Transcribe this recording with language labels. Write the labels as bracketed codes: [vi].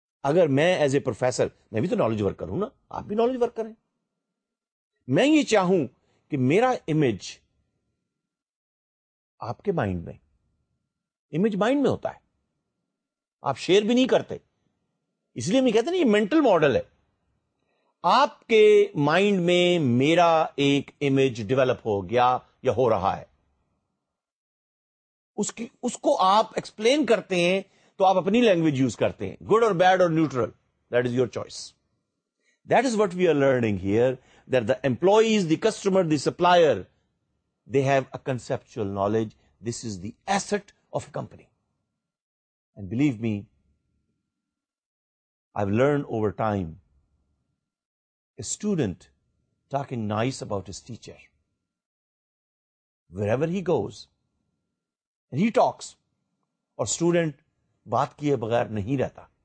[ur] اگر میں [en] as a professor, [ur] میں بھی تو نالج ورکر ہوں نا, آپ بھی نالج ورکر ہیں, میں یہ چاہوں کہ میرا امیج آپ کے مائنڈ میں, امیج مائنڈ میں ہوتا ہے, آپ شیئر بھی نہیں کرتے, اس لیے ہم کہتے ہیں یہ مینٹل ماڈل ہے, آپ کے مائنڈ میں میرا ایک امیج ڈیولپ ہو گیا یا ہو رہا ہے, اس کو آپ ایکسپلین کرتے ہیں تو آپ اپنی لینگویج یوز کرتے ہیں, گڈ اور بیڈ اور neutral, [en] That is your choice. That is what we are learning here, that the employees, the customer, the supplier, they have a conceptual knowledge, this is the asset of a company. And believe me, I've learned over time, a student talking nice about his teacher, wherever he goes, and he talks, [ur] اور student بات کیے بغیر نہیں رہتا,